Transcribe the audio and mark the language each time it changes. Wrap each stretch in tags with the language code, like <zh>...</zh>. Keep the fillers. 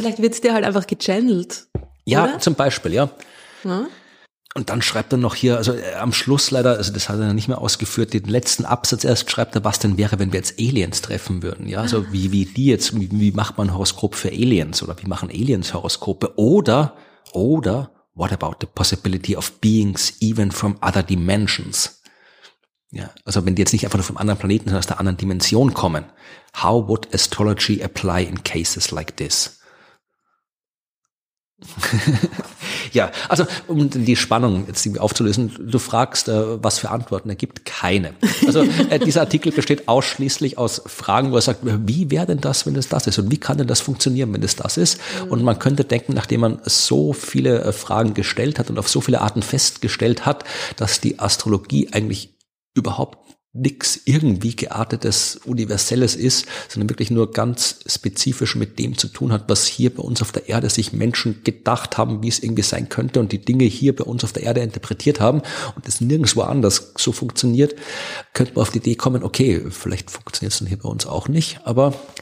<de>vielleicht wird es dir halt einfach gechannelt. Ja, oder? zum Beispiel, ja. Ne? Und dann schreibt er noch hier, also äh, am Schluss leider, also das hat er nicht mehr ausgeführt, den letzten Absatz erst schreibt er, was denn wäre, wenn wir jetzt Aliens treffen würden. Ja, also wie, wie die jetzt, wie, wie macht man ein Horoskop für Aliens oder wie machen Aliens Horoskope? Oder, oder,</de> <en>what about the possibility of beings even from other dimensions?</en> <de>Ja, also wenn die jetzt nicht einfach nur vom anderen Planeten, sondern aus der anderen Dimension kommen.</de> <en>How would astrology apply in cases like this?</en> <de>ja, also um die Spannung jetzt irgendwie aufzulösen, du fragst, äh, was für Antworten, er gibt keine. Also äh, dieser Artikel besteht ausschließlich aus Fragen, wo er sagt, wie wäre denn das, wenn es das ist und wie kann denn das funktionieren, wenn es das ist? Und man könnte denken, nachdem man so viele äh, Fragen gestellt hat und auf so viele Arten festgestellt hat, dass die Astrologie eigentlich überhaupt nix irgendwie geartetes Universelles ist, sondern wirklich nur ganz spezifisch mit dem zu tun hat, was hier bei uns auf der Erde sich Menschen gedacht haben, wie es irgendwie sein könnte und die Dinge hier bei uns auf der Erde interpretiert haben und es nirgendwo anders so funktioniert, könnte man auf die Idee kommen, okay, vielleicht funktioniert es dann hier bei uns auch nicht, aber</de>